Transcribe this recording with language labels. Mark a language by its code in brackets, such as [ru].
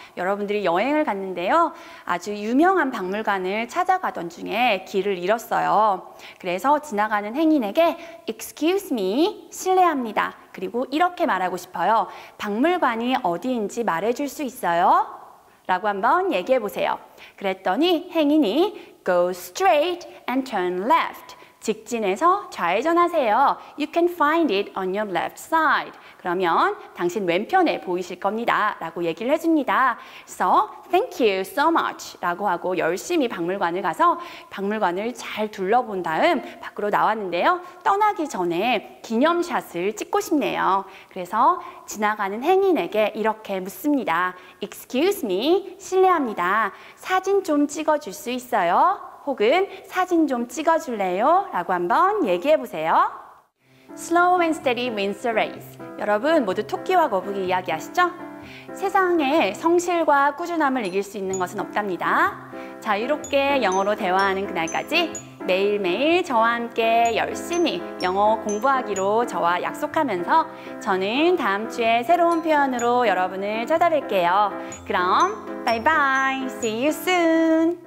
[ko] 여러분들이 여행을 갔는데요. 아주 유명한 박물관을 찾아가던 중에 길을 잃었어요. 그래서 지나가는 행인에게 [en] Excuse me, [ko] 실례합니다. 그리고 이렇게 말하고 싶어요. 박물관이 어디인지 말해줄 수 있어요? 라고 한번 얘기해 보세요. 그랬더니 행인이 [en] Go straight and turn left. [ko] 직진해서 좌회전하세요. [en] You can find it on your left side. [ko] 그러면 당신 왼편에 보이실 겁니다. 라고 얘기를 해줍니다. [en] So, thank you so much. [ko] 라고 하고 열심히 박물관을 가서 박물관을 잘 둘러본 다음 밖으로 나왔는데요. 떠나기 전에 기념샷을 찍고 싶네요. 그래서 지나가는 행인에게 이렇게 묻습니다. [en] Excuse me. [ko] 실례합니다. 사진 좀 찍어줄 수 있어요? 혹은 사진 좀 찍어줄래요? 라고 한번 얘기해 보세요. [en] Slow and steady wins the race. [ko] 여러분 모두 토끼와 거북이 이야기 아시죠? 세상에 성실과 꾸준함을 이길 수 있는 것은 없답니다. 자유롭게 영어로 대화하는 그날까지 매일매일 저와 함께 열심히 영어 공부하기로 저와 약속하면서 저는 다음 주에 새로운 표현으로 여러분을 찾아뵐게요. 그럼 바이바이, [en] see you soon!